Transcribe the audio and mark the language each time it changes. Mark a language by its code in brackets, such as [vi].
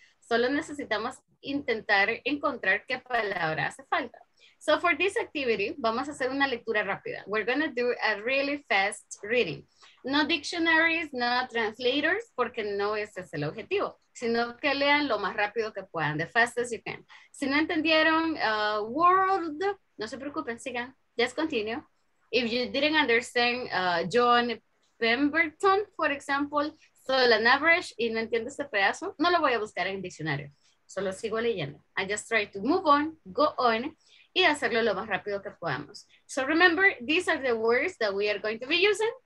[es] Solo necesitamos intentar encontrar qué palabra hace falta. [en] So for this activity, [es] vamos a hacer una lectura rápida. [en] We're going to do a really fast reading. No dictionaries, no translators, [es] porque no ese es el objetivo, sino que lean lo más rápido que puedan, [en] the fastest you can. [es] Si no entendieron world, no se preocupen, sigan, [en] just continue. If you didn't understand John Pemberton, for example, [es] solo an average y no entiendo ese pedazo, no lo voy a buscar en diccionario, solo sigo leyendo. [en] I just try to move on, go on, [es] y hacerlo lo más rápido que podamos. [en] So remember, these are the words that we are going to be using.